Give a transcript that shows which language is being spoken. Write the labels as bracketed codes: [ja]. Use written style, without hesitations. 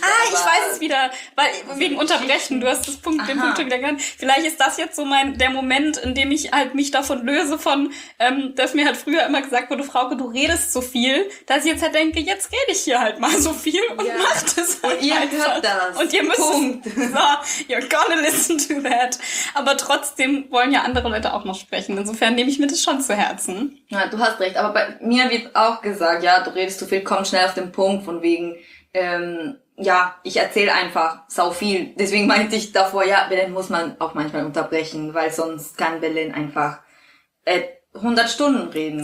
[de] Ah, ich weiß es wieder. Weil, wegen Unterbrechen, du hast das Punkt, den Punkt schon wieder gehört. Vielleicht ist das jetzt so mein der Moment, in dem ich halt mich davon löse, von dass mir halt früher immer gesagt wurde, Frauke, du redest so viel, dass ich jetzt halt denke, jetzt rede ich hier halt mal so viel und mach das halt. Und ihr halt hört halt. Das. Und ihr müsst. Punkt. [en] So, you're gonna listen to that. [de] Aber trotzdem wollen ja andere Leute auch noch sprechen. Insofern nehme ich mir das schon zu Herzen. Ja, du hast recht. Aber bei mir wird auch gesagt, ja, du redest zu viel, komm schnell auf den Punkt, von wegen, ja, ich erzähle einfach sau viel. Deswegen meinte ich davor, ja, Berlin muss man auch manchmal unterbrechen, weil sonst kann Berlin einfach 100 Stunden reden.